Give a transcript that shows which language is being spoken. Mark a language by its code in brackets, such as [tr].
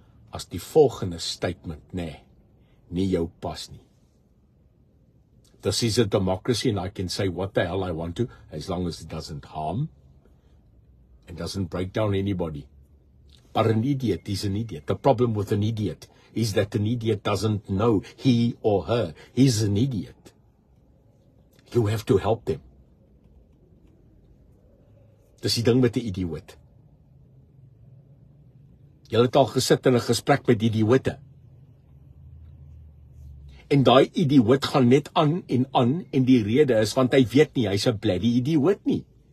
[af] As die volgende statement, nie jou pas nie. [en] This is a democracy and I can say what the hell I want to, as long as it doesn't harm and doesn't break down anybody. But an idiot is an idiot. The problem with an idiot is that an idiot doesn't know he or her. He's an idiot. You have to help them. [af] Dis die ding met 'n idioot. Jy het al gesit in 'n gesprek met idioote. En daai idioot gaan net aan en aan en die rede is want hy weet nie, hy's 'n bloody idioot nie.